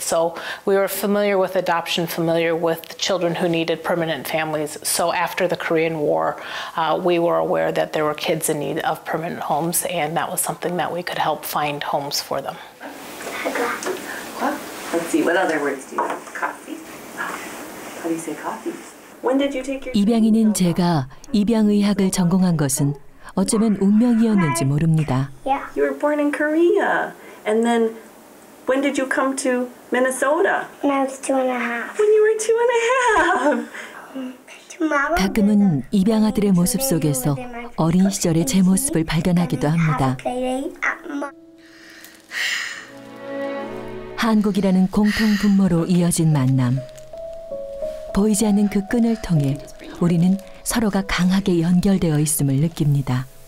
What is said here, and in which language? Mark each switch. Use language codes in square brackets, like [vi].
[en] So we were familiar with adoption, familiar with children who needed permanent families. So after the Korean War, we were aware that there were kids in need of permanent homes, and that was something that we could help find homes for them. Let's see, what other words do you have? Coffee? How do you say coffee? [ko] 입양인인 제가 입양의학을 전공한 것은 어쩌면 운명이었는지 모릅니다. [en] You were born in Korea. And then when did you come to Minnesota? When I was 2.5. When you were 2.5. [ko] 가끔은 입양아들의 모습 속에서 어린 시절의 제 모습을 발견하기도 합니다. 한국이라는 공통 분모로 이어진 만남. 보이지 않는 그 끈을 통해 우리는 서로가 강하게 연결되어 있음을 느낍니다.